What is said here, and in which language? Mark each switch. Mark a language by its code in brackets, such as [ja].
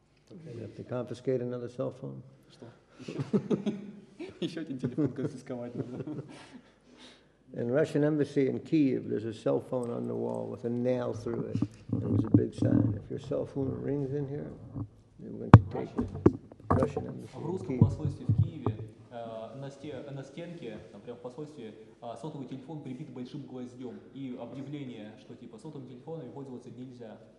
[en] We have to confiscate another cell phone. [ru] Что? Еще один телефон конфисковать надо. [en] In Russian embassy in Kiev, there's a cell phone on the wall with a nail through it, and there's a big sign: if your cell phone rings in here, they're going to take it. Russian embassy. [ru] В русском посольстве в Киеве на стенке, там прямо в посольстве, сотовый телефон прибит большим гвоздем, и объявление, что типа сотовым телефоном пользоваться нельзя.